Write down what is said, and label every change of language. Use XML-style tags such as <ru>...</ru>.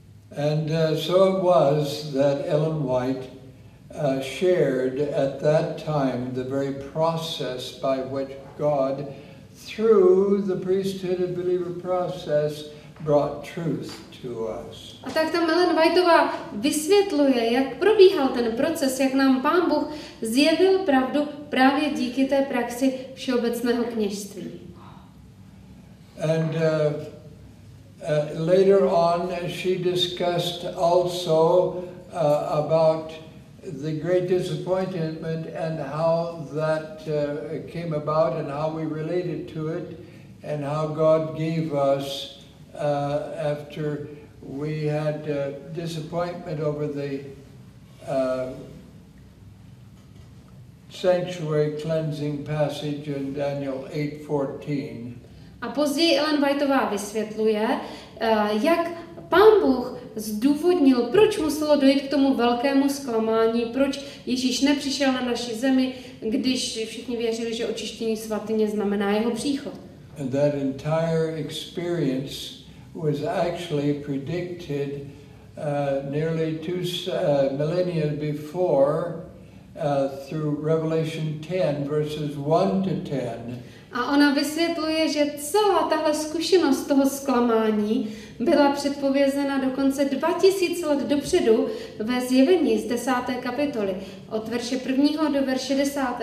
<en>And so it was that Ellen White shared at that time the very process by which God, through the priesthood and believer process, brought truth to us.</en> <cs>A tak tam Ellen Whiteová vysvětluje, jak probíhal ten proces, jak nám Pán Bůh zjevil pravdu právě díky té praxi všeobecného kněžství.</cs> <en>And later on she discussed also about the great disappointment and how that came about and how we related to it and how God gave us after we had disappointment over the sanctuary cleansing passage in Daniel 8:14.</en> <cs>A později Ellen Whiteová vysvětluje, jak Pán Bůh zdůvodnil, proč muselo dojít k tomu velkému zklamání, proč Ježíš nepřišel na naši zemi, když všichni věřili, že očištění svatyně znamená jeho příchod.</cs> <en>And that entire experience was actually predicted nearly two millennia before through Revelation 10 verses 1 to 10.</en> <cs>A ona vysvětluje, že celá tahle zkušenost toho zklamání byla předpovězena dokonce 2000 let dopředu ve zjevení z 10. kapitoly od verše 1. do verše 10.</cs>